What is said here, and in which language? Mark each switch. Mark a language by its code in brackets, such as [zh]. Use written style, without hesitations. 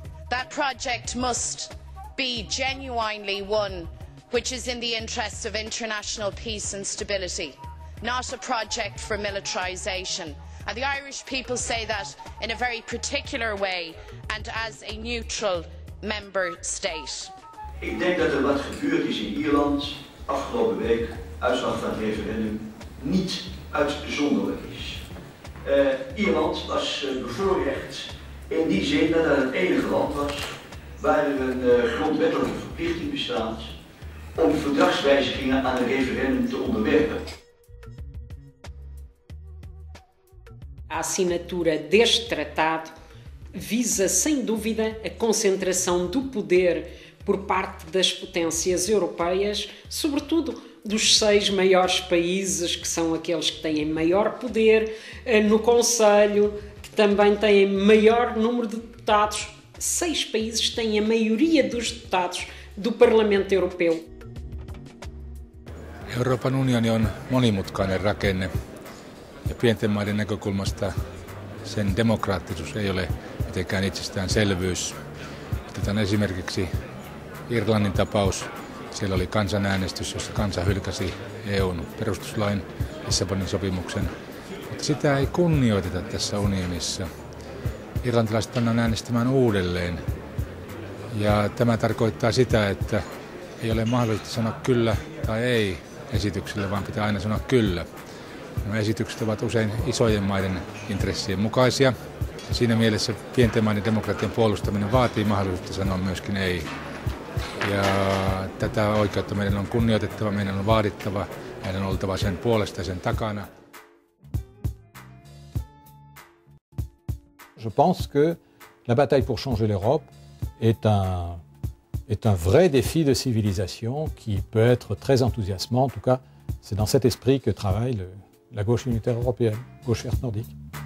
[en] That project must be genuinely one which is in the interests of international peace and stability, not a project for militarisation. And the Irish people say that in a very particular way and as a neutral member state. I think that what [nl] gebeurd is in Ireland afgelopen week, uitslag van het referendum, niet uitzonderlijk is. Ireland was bevoorrecht in die zin dat het enige land was waar er een grondwettelijke verplichting bestaat om verdragswijzigingen aan een referendum te onderwerpen. [pt] A assinatura deste tratado visa, sem dúvida, a concentração do poder por parte das potências europeias, sobretudo dos seis maiores países, que são aqueles que têm maior poder no Conselho, que também têm maior número de deputados. Seis países têm a maioria dos deputados do Parlamento Europeu. [fi] Euroopan unioni on monimutkainen rakenne, ja pienten maiden näkökulmasta sen demokraattisuus ei ole mitenkään itsestäänselvyys. Otetaan esimerkiksi Irlannin tapaus. Siellä oli kansanäänestys, jossa kansa hylkäsi EU:n perustuslain Lissabonin sopimuksen. Mutta sitä ei kunnioiteta tässä unionissa. Irlantilaiset pannaan äänestämään uudelleen. Ja tämä tarkoittaa sitä, että ei ole mahdollista sanoa kyllä tai ei esityksille, vaan pitää aina sanoa kyllä. Nämä esitykset ovat usein isojen maiden intressien mukaisia. Ja siinä mielessä pienten maiden demokratian puolustaminen vaatii mahdollisuutta sanoa myöskin ei. Ja tätä oikeutta meidän on kunnioitettava, meidän on vaadittava, meidän on oltava sen puolesta ja sen takana. [fr] Je pense que la bataille pour changer l'Europe est un vrai défi de civilisation qui peut être très enthousiasmant. En tout cas, c'est dans cet esprit que travaille la gauche unitaire européenne, gauche verte nordique.